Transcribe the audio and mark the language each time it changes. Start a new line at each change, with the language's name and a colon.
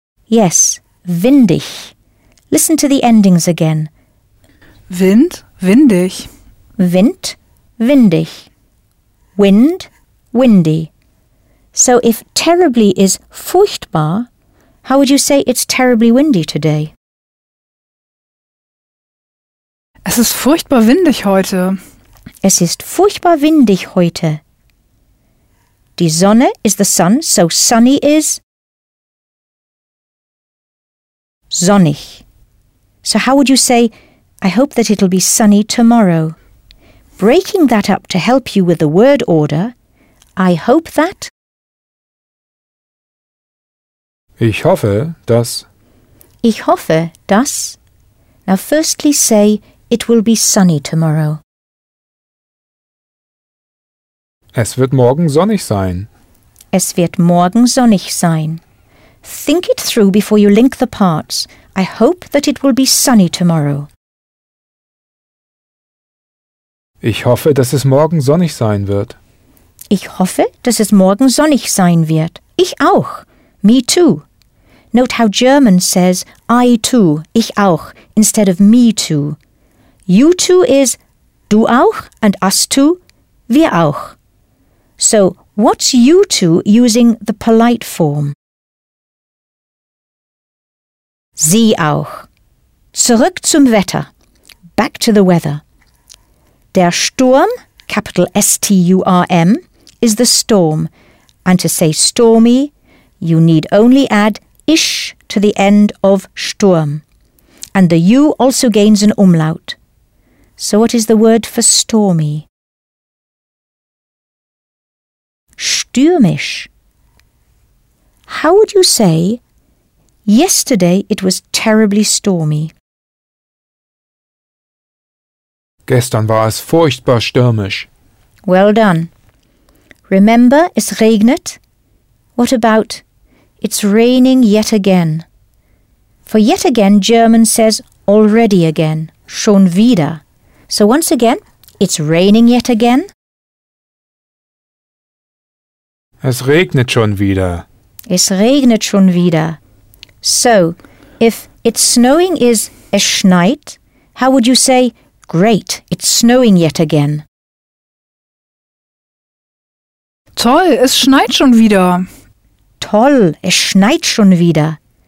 English: Yes, windig. Listen to the endings again.
German: Wind, windig. Wind, windig. Wind, windy.
English: So if terribly is furchtbar, how would you say it's terribly windy today?
German: Es ist furchtbar windig heute. Es ist furchtbar windig heute.
English: Die Sonne is the sun, so sunny is sonnig. So how would you say, I hope that it'll be sunny tomorrow? Breaking that up to help you with the word order, I hope that.
German: Ich hoffe, dass. Ich hoffe, dass.
English: Now firstly say, it will be sunny tomorrow.
German: Es wird morgen sonnig sein. Es wird morgen sonnig sein.
English: Think it through before you link the parts. I hope that it will be sunny tomorrow.
German: Ich hoffe, dass es morgen sonnig sein wird. Ich hoffe, dass es morgen sonnig sein wird. Ich auch.
English: Me too. Note how German says I too, ich auch, instead of me too. You too is du auch and us too, wir auch. So, what's you two using the polite form?
German: Sie auch. Zurück zum Wetter.
English: Back to the weather. Der Sturm, capital S-T-U-R-M, is the storm. And to say stormy, you need only add ish to the end of Sturm. And the U also gains an umlaut. So what is the word for stormy? Stürmisch. How would you say, yesterday it was terribly stormy?
German: Gestern war es furchtbar stürmisch.
English: Well done. Remember,
German: es regnet.
English: What about, it's raining yet again? For yet again, German says already again, schon wieder. So once again, it's raining yet again.
German: Es regnet schon wieder. Es regnet schon wieder.
English: So, if it's snowing is
German: es schneit,
English: how would you say, great, it's snowing yet again?
German: Toll, es schneit schon wieder. Toll, es schneit schon wieder.